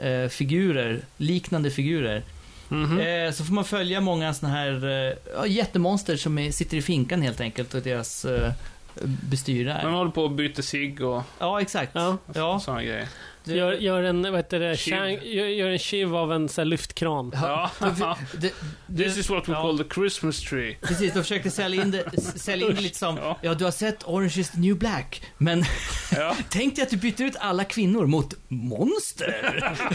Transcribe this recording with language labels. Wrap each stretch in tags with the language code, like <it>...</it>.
<sv>figurer, liknande figurer. Mm-hmm. Så får man följa många såna här jättemonster som är, sitter i finkan helt enkelt och deras bestyr där. Man håller på att byta sig och ja, exakt. Ja. Såna grejer. Du, gör en, vad heter det, gör en shiv av en så här, lyftkran. Ja.</sv> <en>This is what we call the Christmas tree.</en> <sv>Precis, de försökte sälja in lite som ja, du har sett Orange is the New Black, men tänkte jag att du byter ut alla kvinnor mot monster.</sv>